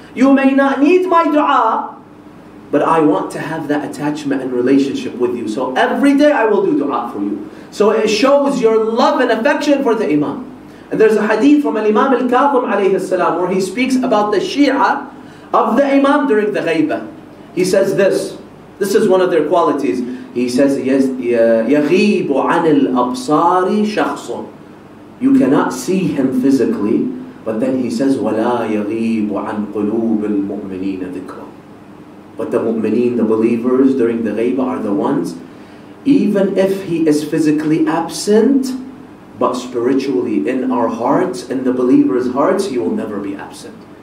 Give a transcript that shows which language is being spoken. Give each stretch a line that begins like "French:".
English: You may not need my dua, but I want to have that attachment and relationship with you. So every day I will do dua for you. So it shows your love and affection for the Imam. And there's a hadith from Al-Imam Al-Kadhim alayhi salam where he speaks about the Shia of the Imam during the Ghaybah. He says this. This is one of their qualities. He says,
Arabic: يَغِيبُ عَنِ الْأَبْصَارِ شَخْصٌ.
English: You cannot see him physically, but then he says,
Arabic: وَلَا يَغِيبُ عَنْ قُلُوبِ الْمُؤْمِنِينَ ذِكْرًا.
English: But the mu'mineen, the believers during the ghaybah are the ones, even if he is physically absent, but spiritually in our hearts, in the believers' hearts, he will never be absent.